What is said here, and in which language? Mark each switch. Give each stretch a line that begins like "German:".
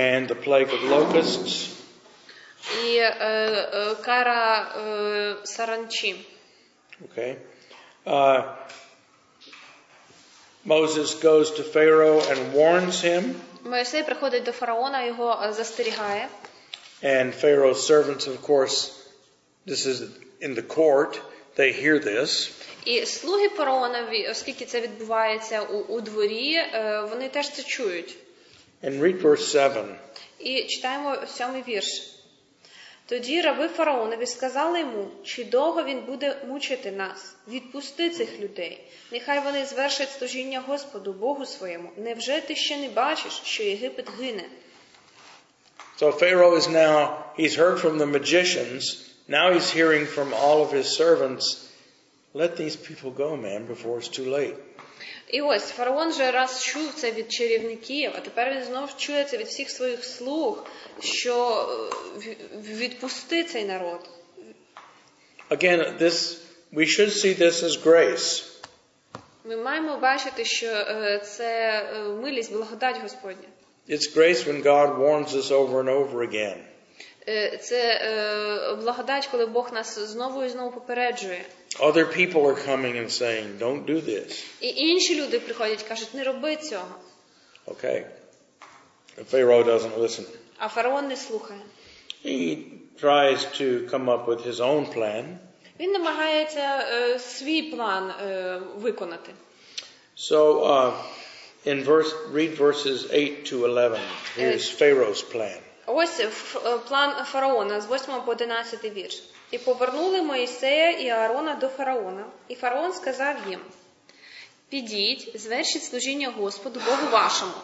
English: And the plague of locusts.
Ukrainian: І кара саранчі.
English: Okay. Moses goes to Pharaoh and warns him.
Ukrainian: Мойсей приходить до фараона, його застерігає.
English: And Pharaoh's servants, of course, this is in the court, they hear this.
Ukrainian: І слуги фараона, оскільки це відбувається у дворі, вони теж це чують.
English: And read verse 7.
Ukrainian: І читаємо 7-й вірш. Тоді раби фараонові сказали йому, чи довго він буде мучити нас, відпусти цих людей. Нехай вони звершать служіння Господу, Богу своєму. Невже ти ще не бачиш, що Єгипет гине?
English: So Pharaoh is now, he's heard from the magicians, now he's hearing from all of his servants, let these people go, man, before it's too late.
Ukrainian: І ось, фараон вже раз чув це від чарівників, а тепер він знов чує це від всіх своїх слуг, що відпусти цей народ.
English: Again, this, we should see this as grace.
Ukrainian: Ми маємо бачити, що це милість, благодать Господня.
English: It's grace when God warns us over and over again.
Ukrainian: Це благодать, коли Бог нас знову і знову попереджує.
English: Other people are coming and saying, don't do this.
Ukrainian: І інші люди приходять, кажуть, не роби цього.
English: Okay. The Pharaoh doesn't listen.
Ukrainian: А фараон не слухає.
English: He tries to come up with his own plan.
Ukrainian: Він намагається свій план виконати.
English: So, read verses 8 to 11. Here's Pharaoh's plan.
Ukrainian: Ось план фараона з 8 по 11 вірш. І повернули Мойсея і Аарона до фараона. І фараон сказав їм, «Підіть, звершіть служіння Господу Богу вашому.